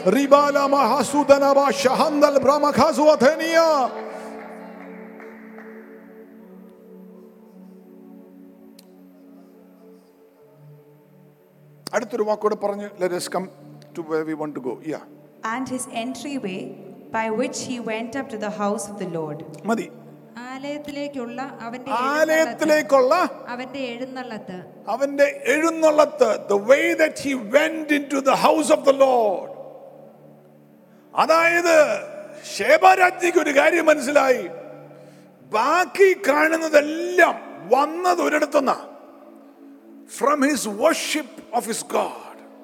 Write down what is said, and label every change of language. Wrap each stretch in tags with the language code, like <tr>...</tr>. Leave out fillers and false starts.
<ml>റിബാല മഹാസുദനബ ഷഹന്ദൽ ബ്രഹ്മഖാസുവധനിയ. അടുത്തൊരു വാക്കോട് പറഞ്ഞു,</ml> <en>let us come to where we want to go. Yeah. And his entryway by which he went up to the house of the Lord.</en> <ml>മതി.</ml> <en>The way that he went into the house of the Lord.</en> <ml>അതായത് ഷേബ രാജ്ഞിക്ക് ഒരു കാര്യം മനസ്സിലായി, ബാക്കി കാണുന്നതെല്ലാം വന്നത് ഒരിടത്തുന്ന</ml> <en>from his worship of his God.</en>